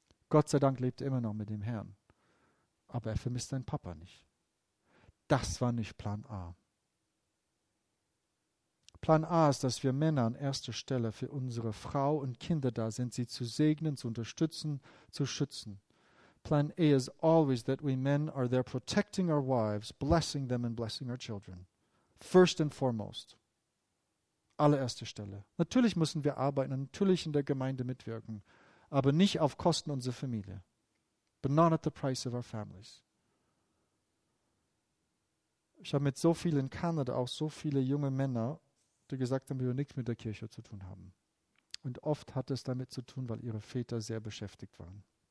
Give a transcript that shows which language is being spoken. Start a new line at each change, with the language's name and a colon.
German: Gott sei Dank lebt er immer noch mit dem Herrn. Aber er vermisst seinen Papa nicht. Das war nicht Plan A. Plan A ist, dass wir Männer an erster Stelle für unsere Frau und Kinder da sind, sie zu segnen, zu unterstützen, zu schützen.
English: Plan A is always that we men are there protecting our wives, blessing them and blessing our children. First and foremost.
German: Allererste Stelle. Natürlich müssen wir arbeiten, natürlich in der Gemeinde mitwirken, aber nicht auf Kosten unserer Familie.
English: But not at the price of our families.
German: Ich habe mit so vielen in Kanada auch so viele junge Männer, die gesagt haben, wir nichts mit der Kirche zu tun haben. Und oft hat es damit zu tun, weil ihre Väter sehr beschäftigt waren.